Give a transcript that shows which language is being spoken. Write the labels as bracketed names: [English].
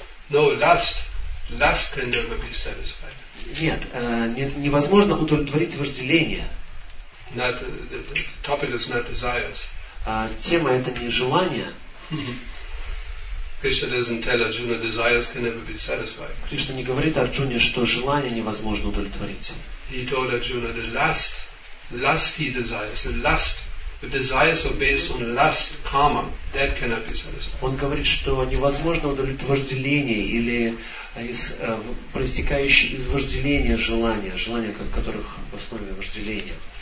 [English] No, lust can never be satisfied. [Russian] Нет, невозможно удовлетворить вожделение. [English] Not, the topic is not desires. [Russian] Тема это не желание. [English] Krishna doesn't tell Arjuna desires can never be satisfied. [Russian] Кришна не говорит Арджуне, что желание невозможно удовлетворить. [English] He told Arjuna the lusty desires, the desires are based on lust, karma, that cannot be satisfied. [Russian] Он говорит, что невозможно удовлетворить вожделение или проистекающее из вожделения желания, желания, которых в основе вожделения.